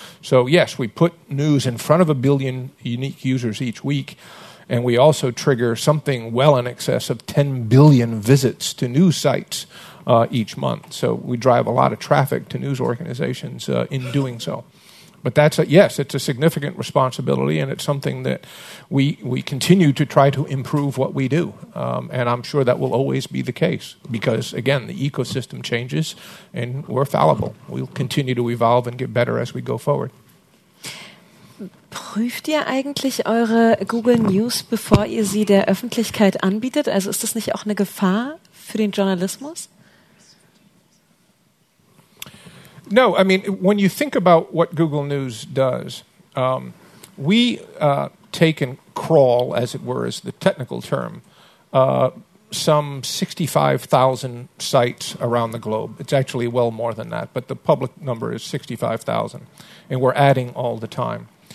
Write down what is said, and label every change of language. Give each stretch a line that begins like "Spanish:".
English: So, yes, we put news in front of 1 billion unique users each week, and we also trigger something well in excess of 10 billion visits to news sites each month. So we drive a lot of traffic to news organizations in doing so. But that's a, yes, it's a significant responsibility, and it's something that we continue to try to improve what we do. And I'm sure that will always be the case because, again, the ecosystem changes, and we're fallible. We'll continue to evolve and get better as we go forward.
German: Prüft ihr eigentlich eure Google News, bevor ihr sie der Öffentlichkeit anbietet? Also ist das nicht auch eine Gefahr für den Journalismus?
English: No, I mean, when you think about what Google News does, we take and crawl, as it were, is the technical term, some 65,000 sites around the globe. It's actually well more than that, but the public number is 65,000, and we're adding all the time.